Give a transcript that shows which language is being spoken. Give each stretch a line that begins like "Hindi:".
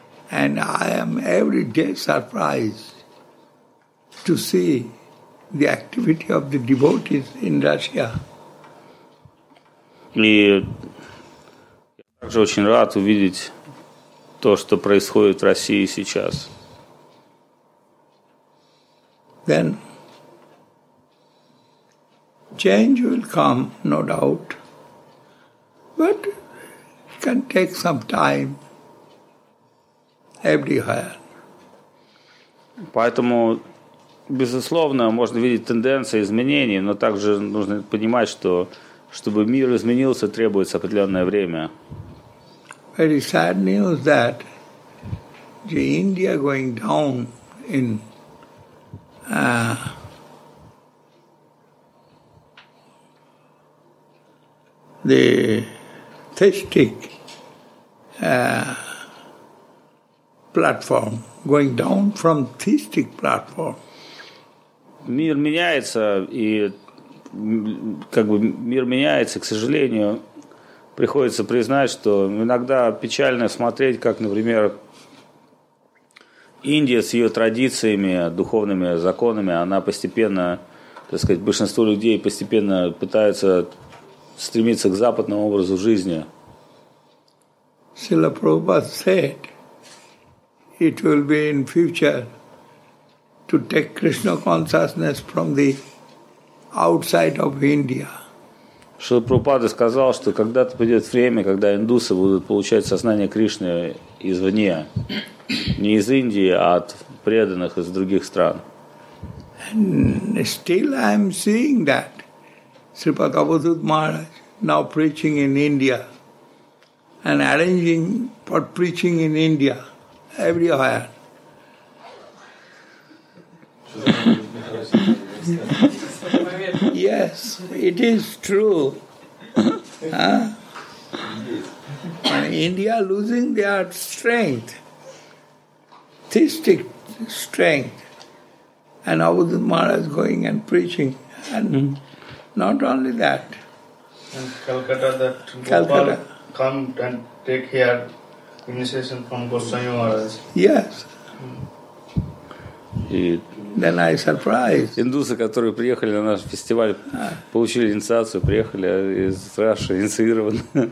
English: And I am every day surprised to see the activity of the devotees in Russia.
Russian: И я также очень рад увидеть то, что происходит в России сейчас.
English: Then change will come, no doubt, but it can take some time everywhere.
Russian: Поэтому, безусловно, можно видеть тенденции изменений, но также нужно понимать, что чтобы мир изменился, требуется определенное время.
English: Very sad news that the India going down in the theistic platform, going down from theistic platform.
Russian: Мир меняется, и как бы мир меняется, к сожалению, приходится признать, что иногда печально смотреть, как, например, Индия с ее традициями, духовными законами, она постепенно, так сказать, большинство людей постепенно пытаются стремиться к западному образу жизни.
English: Srila Prabhupada said, it will be in future to take Krishna consciousness from the outside of India.
Russian: Srila Prabhupada сказал, что когда-то придет время, когда индусы будут получать сознание Кришны извне. Не из Индии, а от преданных из других стран.
English: And still I am seeing that Sripada Bhagavad Maharaj now preaching in India and arranging for preaching in India everywhere. Yes, it is true. India losing their strength. Theistic strength. And Avadhut Maharaj going and preaching. And not only that. And Calcutta, that Calcutta. Gopal come and take here initiation from Goswami Maharaj. Yes. Then I surprised.
Russian: Индусы, которые приехали на наш фестиваль, получили инициацию, приехали из Раши, инициированы.